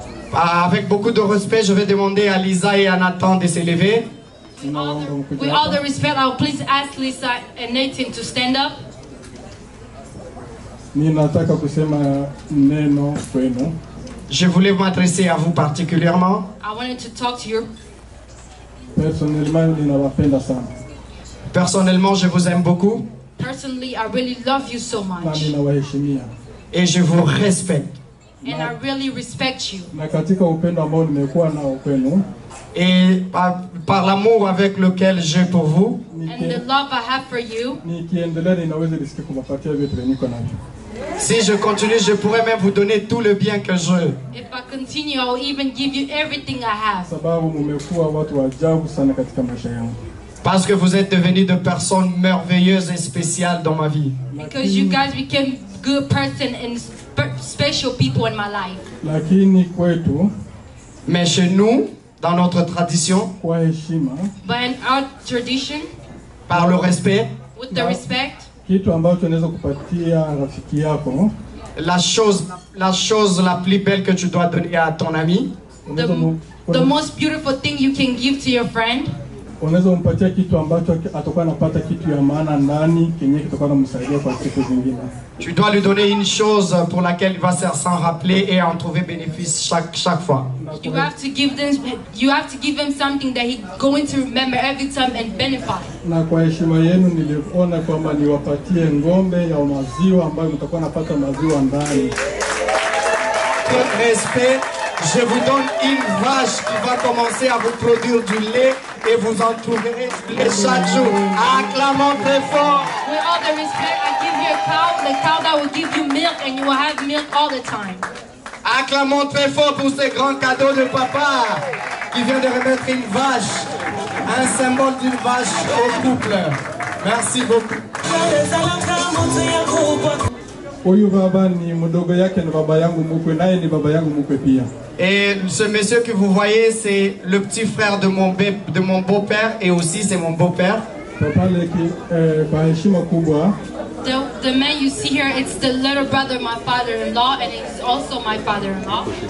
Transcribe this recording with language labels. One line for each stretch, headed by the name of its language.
French: Avec beaucoup de respect, je vais demander à Lisa et à Nathan de se lever.
English: With all the respect, I'll please ask Lisa and Nathan to stand up.
Swahili: Ninataka kusema neno kwenu.
French: Je voulais m'adresser à vous particulièrement.
English: I wanted to talk to you.
French: Personnellement,
Swahili: ninawapenda sana.
French: Personnellement, je vous aime beaucoup.
English: Personally, I really love you so much.
French: Et je vous respecte.
English: And I really respect you.
Swahili: Na katika upendo ambao nimekuwa nao kwenu.
French: Et par l'amour avec lequel j'ai pour vous.
English: And the love I have for you.
Swahili: Nikiendelea ninaweza risque kumpatia vitu niko navyo.
French: Si je continue, je pourrais même vous donner tout le bien que je.
English: If I continue, I'll even give you everything I have.
Swahili: Sababu mmekuwa watu wa ajabu sana katika maisha yangu.
French: Parce que vous êtes devenus de personnes merveilleuses et spéciales dans ma vie.
English: Because you guys became good person and special people in my life.
Swahili: Lakini kwetu,
French: mais chez nous, dans notre tradition,
Swahili: kwa heshima,
English: by our tradition,
French: par le respect,
English: with the respect,
Swahili: kitu ambacho tunaweza kupatia rafiki yako,
French: la chose la plus belle que tu dois donner à ton ami,
English: the most beautiful thing you can give to your friend.
Swahili: Unaweza kumpatia kitu ambacho atakuwa anapata kitu ya maana ndani kinyenye kitakuwa kumsaidia kwa siku zingine.
French: Tu dois lui donner une chose pour laquelle il va s'en rappeler et en trouver bénéfice chaque fois.
English: You have to give him something that he's going to remember every time and benefit.
Swahili: Na kwa heshima yenu niliona kwamba niwapatie ng'ombe ya maziwa ambayo mtakuwa napata maziwa ndani.
French: Respect. Je vous donne une vache qui va commencer à vous produire du lait et vous en trouverez tous les chaque jour. Acclamons très fort.
English: With all the respect, I give you a cow, the cow that will give you milk and you will have milk all the time.
French: Acclamons très fort pour ce grand cadeau de papa qui vient de remettre une vache, un symbole d'une vache au couple. Merci beaucoup.
Swahili: Oyu baba ni mdogo yake ni baba yangu mkwe naye ni baba yangu mkwe pia.
French: Et ce monsieur que vous voyez, c'est le petit frère de mon beau-père et aussi c'est mon beau-père. Papa le qui par heshima kubwa.
English: The man you see here, it's the little brother of my father-in-law and he's also my father-in-law.